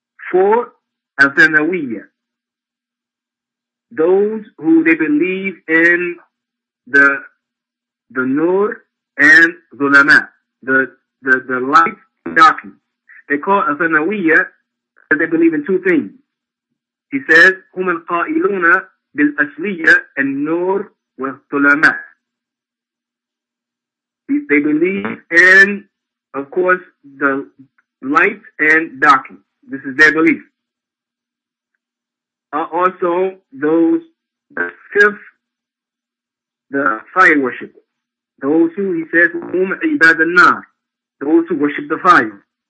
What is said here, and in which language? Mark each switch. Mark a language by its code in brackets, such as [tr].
[en] Four, Athanawiya, those who they believe in the Nur and Zulama, the light darkness. They call Athanawiya. That they believe in two things. [ar] He says, هم القائلون بالأصلية النور والظلماء. [en] They believe in, of course, the light and darkness. This is their belief. Also, those, the fifth, the fire worshippers. Those who, he says, [ar] هم عباد النار. [en] Those who worship the fire.